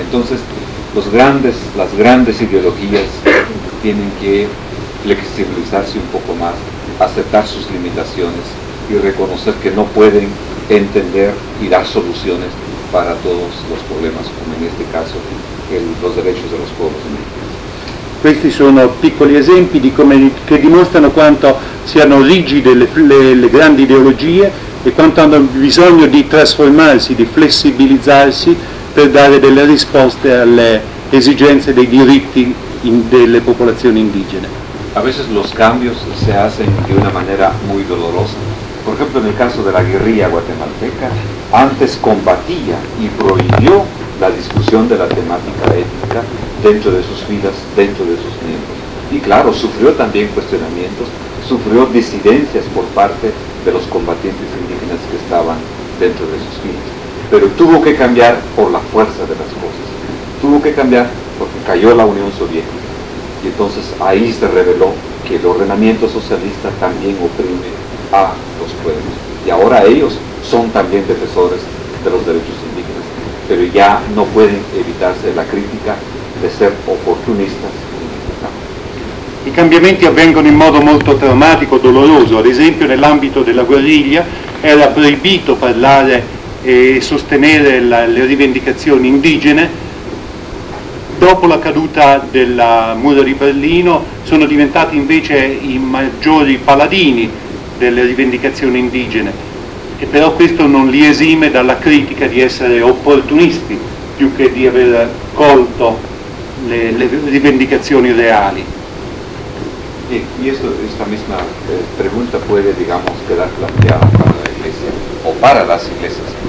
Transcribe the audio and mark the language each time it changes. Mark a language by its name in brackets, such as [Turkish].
[Spanish] Entonces, las grandes ideologías tienen que flexibilizarse un poco más, aceptar sus limitaciones y reconocer que no pueden entender y dar soluciones para todos los problemas, como en este caso los derechos de los pueblos indígenas. [Italian] Questi sono piccoli esempi di come, che dimostrano quanto siano rigide le grandi ideologie e quanto hanno bisogno di trasformarsi, di flessibilizzarsi per dare delle risposte alle esigenze dei diritti delle popolazioni indigene. [Spanish] A veces los cambios se hacen de una manera muy dolorosa. Por ejemplo, en el caso de la guerrilla guatemalteca, antes combatía y prohibió la discusión de la temática étnica dentro de sus filas, dentro de sus miembros. Y claro, sufrió también cuestionamientos, sufrió disidencias por parte de los combatientes indígenas que estaban dentro de sus filas. Pero tuvo que cambiar por la fuerza de las cosas. Tuvo que cambiar porque cayó la Unión Soviética. Y entonces ahí se reveló que el ordenamiento socialista también oprime a los pueblos. Y ahora ellos son también defensores de los derechos indígenas. Pero ya no pueden evitarse la crítica de ser oportunistas. [Italian] I cambiamenti avvengono in modo molto traumatico, doloroso. Ad esempio, nell'ambito della guerriglia era proibito parlare e sostenere le rivendicazioni indigene. Dopo la caduta del muro di Berlino sono diventati invece i maggiori paladini delle rivendicazioni indigene, e però questo non li esime dalla critica di essere opportunisti più che di aver colto le rivendicazioni reali. [Spanish] Y esto, esta misma pregunta puede, digamos, quedar planteada para la iglesia o para las iglesias.